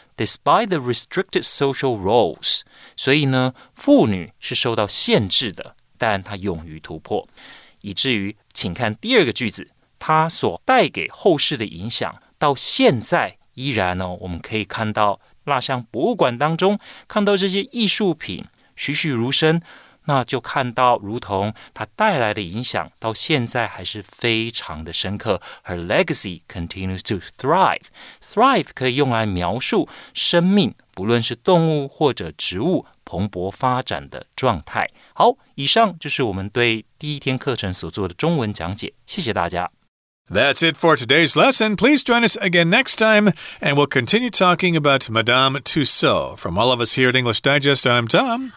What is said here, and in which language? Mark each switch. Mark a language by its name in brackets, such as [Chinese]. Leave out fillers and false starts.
[English] Despite the restricted social roles, [Chinese] 所以呢，妇女是受到限制的，但她勇于突破，以至于，请看第二个句子，她所带给后世的影响，到现在依然呢，我们可以看到蜡像博物馆当中，看到这些艺术品栩栩如生，那就看到如同它带来的影响到现在还是非常的深刻。 [English] Her legacy continues to thrive. [Chinese] Thrive 可以用来描述生命，不论是动物或者植物，蓬勃发展的状态。好，以上就是我们对第一天课程所做的中文讲解，谢谢大家。 [English] That's it for today's lesson. Please join us again next time, and we'll continue talking about Madame Tussauds. From all of us here at English Digest, I'm Tom.